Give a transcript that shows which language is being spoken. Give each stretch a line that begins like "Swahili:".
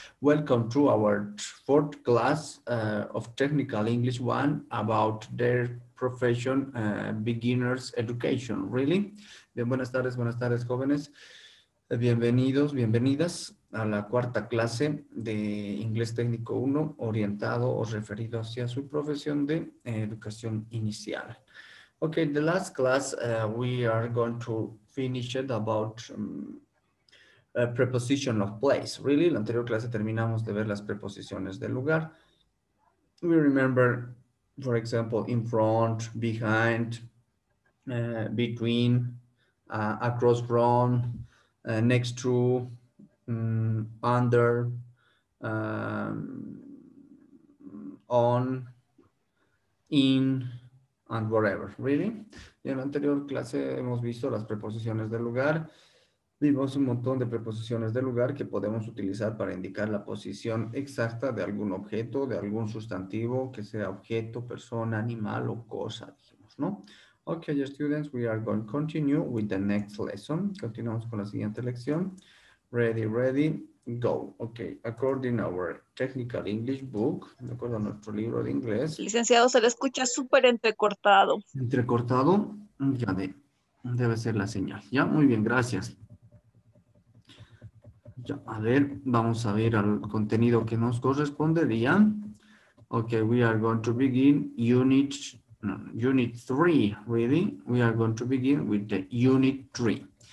English: Welcome to our fourth class of Technical English 1 about their profession, beginner's education, really.
Spanish: Bien, buenas tardes, jóvenes. Bienvenidos, bienvenidas a la cuarta clase de Inglés Técnico 1, orientado o referido hacia su profesión de educación inicial.
English: Okay, the last class we are going to finish it about preposition of place.
Spanish: Really, la anterior clase terminamos de ver las preposiciones del lugar.
English: We remember, for example, in front, behind, between, across from, next to, under, on, in, and whatever, really.
Spanish: Y en la anterior clase hemos visto las preposiciones de lugar. Vimos un montón de preposiciones de lugar que podemos utilizar para indicar la posición exacta de algún objeto, de algún sustantivo, que sea objeto, persona, animal o cosa, dijimos, ¿no?
English: Okay, students, we are going to continue with the next lesson.
Spanish: Continuamos con la siguiente lección.
English: Ready, ready, go. Okay, according to our technical English book,
Spanish: de acuerdo a nuestro libro de inglés. Licenciado, se le escucha súper entrecortado. Entrecortado, ya debe ser la señal. Ya, muy bien, gracias. Ya, a ver, vamos a ver al contenido que nos correspondería.
English: Okay, we are going to begin unit three, really. We are going to begin with the unit three.